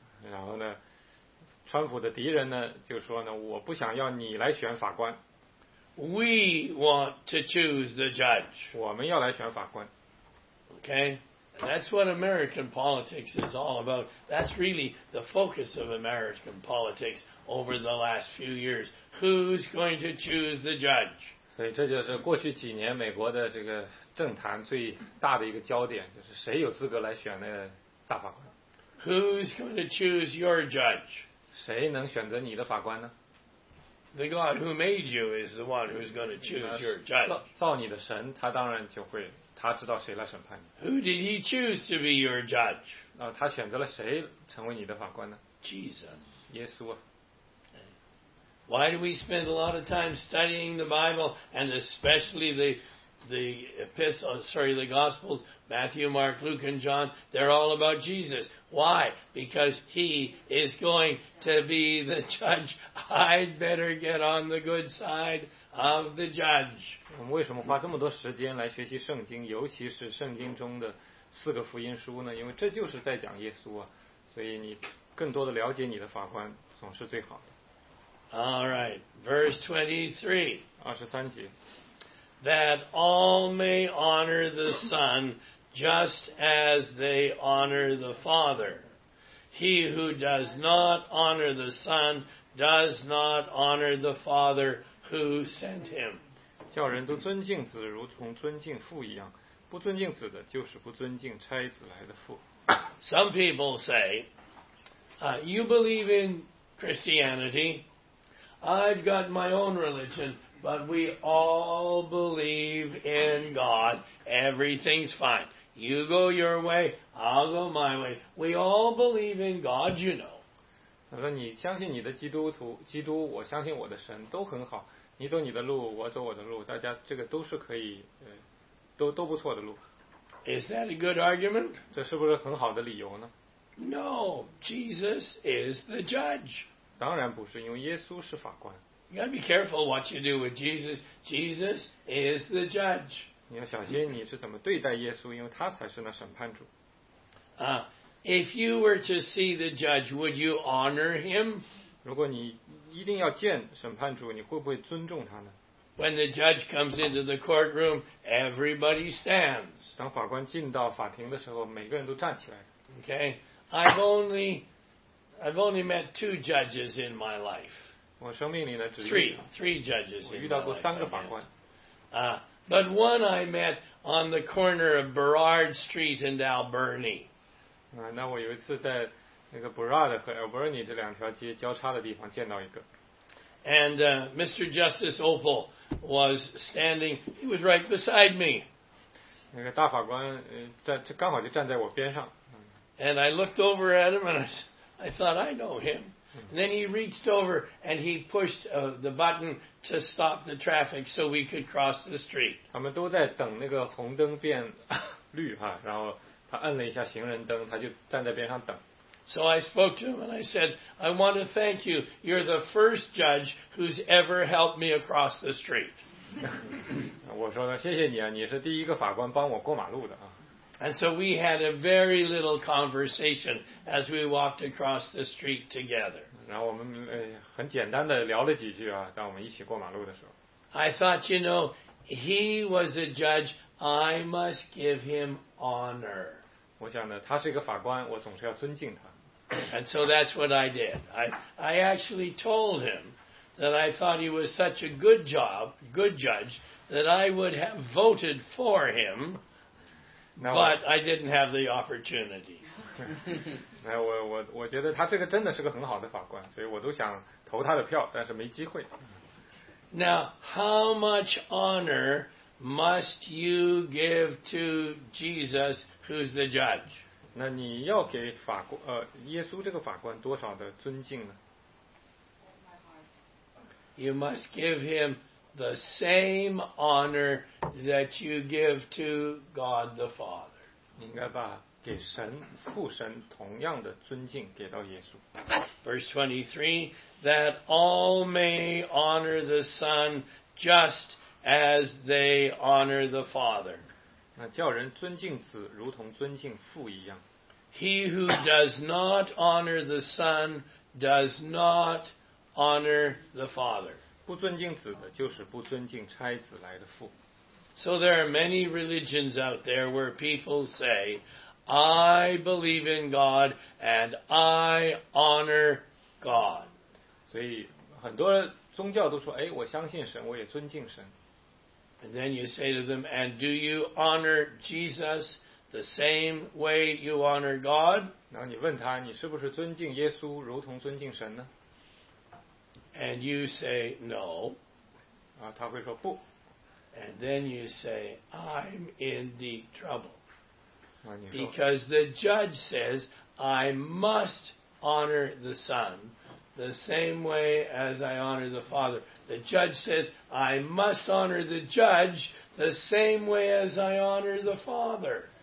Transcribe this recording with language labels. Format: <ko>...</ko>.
<zh>然后呢，川普的敌人呢，就说呢，我不想要你来选法官。</zh> <en>We want to choose the judge.</en> <zh>我们要来选法官。</zh> <en>Okay, that's what American politics is all about. That's really the focus of American politics over the last few years. Who's going to choose the judge?</en> <zh>所以这就是过去几年美国的这个政坛最大的一个焦点，就是谁有资格来选那个大法官。</zh> <en>Who's going to choose your judge?</en> <zh>谁能选择你的法官呢？</zh> <en>The God who made you is the one who's going to choose your judge.</en> <zh>造你的神，他当然就会。他知道谁来审判你。</zh> <en>Who did he choose to be your judge?</en> <zh>他选择了谁成为你的法官呢？</zh> <en>Jesus.</en> <zh>耶稣啊。</zh> <en>Why do we spend a lot of time studying the Bible and especially the Gospels, Matthew, Mark, Luke, and John? They're all about Jesus. Why? Because he is going to be the judge. I'd better get on the good side. Of the judge.</en> <zh>我们为什么花这么多时间来学习圣经，尤其是圣经中的四个福音书呢？因为这就是在讲耶稣啊，所以你更多的了解你的法官总是最好的。</zh> <en>All right, verse 23.</en> <zh>23节。</zh> <en>That all may honor the Son just as they honor the Father. He who does not honor the Son does not honor the Father. Who sent him?</en> <zh>叫人都尊敬子，如同尊敬父一样。不尊敬子的，就是不尊敬差子来的父。</zh> <en>Some people say, "You believe in Christianity. I've got my own religion, but we all believe in God. Everything's fine. You go your way, I'll go my way. We all believe in God, you know."</en> <zh>他说：“你相信你的基督，我相信我的神，都很好。你走你的路，我走我的路，大家这个都是可以，都不错的路。”</zh> <en>Is that a good argument?</en> <zh>这是不是很好的理由呢？</zh> <en>No, Jesus is the judge.</en> <zh>当然不是，因为耶稣是法官。</zh> <en>You gotta be careful what you do with Jesus. Jesus is the judge.</en> <zh>你要小心你是怎么对待耶稣，因为他才是那审判主。啊。</zh> <en>If you were to see the judge, would you honor him?</en> <zh>如果你一定要见审判主，你会不会尊重他呢？</zh> <en>When the judge comes into the courtroom, everybody stands.</en> <zh>当法官进到法庭的时候，每个人都站起来。</zh> <en>Okay, I've only met two judges in my life.</en> <zh>我生命里呢，只有</zh> <en>three judges.</en> <zh>我遇到过三个法官。</zh> <en>But one I met on the corner of Burrard Street and Alberni.</en> <zh>那我有一次在那个 Burrard 和 Alberni 这两条街交叉的地方见到一个。</zh> <en>And Mr. Justice Opel was standing, he was right beside me.</en> <zh>那个大法官刚好就站在我边上。</zh> <en>And I looked over at him and I thought, I know him. And then he reached over and he pushed the button to stop the traffic so we could cross the street.</en> <zh>他们都在等那个红灯变绿哈，然后他按了一下行人灯，他就站在边上等。</zh> <en>So I spoke to him and I said, I want to thank you. You're the first judge who's ever helped me across the street.</en> <zh>我说呢，谢谢你啊，你是第一个法官帮我过马路的啊。</zh> <en>And so we had a very little conversation as we walked across the street together.</en> <zh>然后我们很简单的聊了几句啊，当我们一起过马路的时候。</zh> <en>I thought, you know, He was a judge. I must give him honor.</en> <zh>我想呢，他是一个法官，我总是要尊敬他。</zh> <en>And so that's what I did. I actually told him that I thought he was such a good judge, that I would have voted for him, but I didn't have the opportunity.</en> <zh>我觉得他这个真的是个很好的法官，所以我都想投他的票，但是没机会。</zh> <en>Now, how much honor must you give to Jesus, who's the judge?</en> <zh>那你要给法官耶稣这个法官多少的尊敬呢？</zh> <en>You must give him the same honor that you give to God the Father.</en> <zh>你应该把给神父神同样的尊敬给到耶稣。</zh> <en>Verse 23, that all may honor the Son just as they honor the Father.</en> <zh>那叫人尊敬子如同尊敬父一样。</zh> <en>He who does not honor the Son does not honor the Father.</en> <zh>不尊敬子的就是不尊敬差子来的父。</zh> <en>So there are many religions out there where people say,I believe in God and I honor God.</en> <zh>所以很多宗教都说，哎，我相信神，我也尊敬神。</zh> <en>And then you say to them, and do you honor Jesus the same way you honor God?</en> <zh>然后你问他，你是不是尊敬耶稣如同尊敬神呢？</zh> <en>And you say, no.</en> <zh>啊，他会说不。</zh> <en>And then you say, I'm in deep trouble. Because the judge says, I must honor the Son the same way as I honor the Father. The judge says, I must honor the judge the same way as I honor the Father.</en>